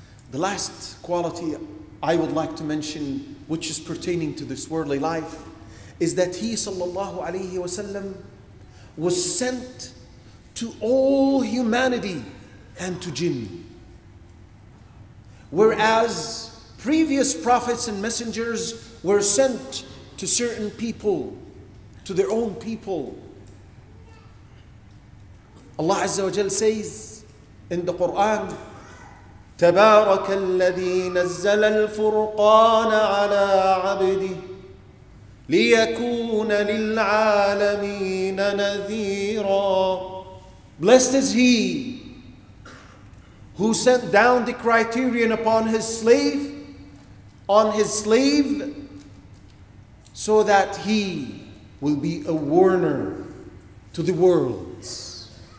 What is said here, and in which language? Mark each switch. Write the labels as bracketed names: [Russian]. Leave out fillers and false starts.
[English] The last quality I would like to mention, which is pertaining to this worldly life, is that he, sallallahu alayhi wa sallam, was sent to all humanity and to jinn. Whereas previous prophets and messengers were sent to certain people, to their own people. Allah Azza wa Jal says in the Quran, [Arabic] تبارك الذي نزل الفرقان على عبده ليكون للعالمين نذيرا. [English] Blessed is he who sent down the criterion upon his slave, on his slave, so that he will be a warner to the worlds.